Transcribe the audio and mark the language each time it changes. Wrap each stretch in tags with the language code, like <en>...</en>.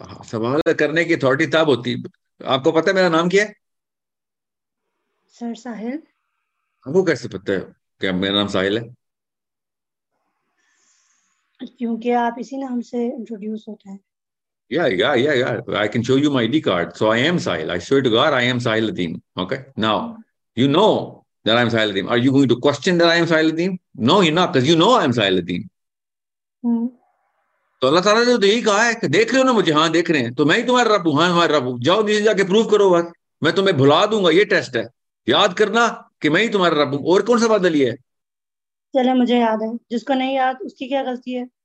<ur>سوال کرنے کی اتھارٹی تب ہوتی. آپ کو پتا میرا نام کیا ہے؟ سر ساحل. آپ کو کیسے پتا ہے کہ میرا نام ساحل ہے؟ کیونکہ آپ اسی نام سے انٹروڈیوس ہوتے ہیں.</ur> <en>I can show you my ID card. So I am Sahil. I swear to God, I am Sahil Adeem. Okay? Now, you know that I am Sahil Adeem. Are you going to question that I am Sahil Adeem? No, you're not, because you know I am Sahil Adeem.</en> <ur>تو اللہ تعالیٰ نے تو یہی کہا ہے کہ دیکھ رہے ہو نا مجھے، ہاں دیکھ رہے ہیں، تو میں ہی تمہارا رب ہوں، ہاں تمہارا رب ہوں، جاؤ نیچے جا کے پروف کرو، بس میں تمہیں بھلا دوں گا، یہ ٹیسٹ ہے، یاد کرنا کہ میں ہی تمہارا رب ہوں. اور کون سا بات دلی ہے؟ چلے مجھے یاد ہے، جس کو نہیں یاد اس کی کیا غلطی ہے؟</ur>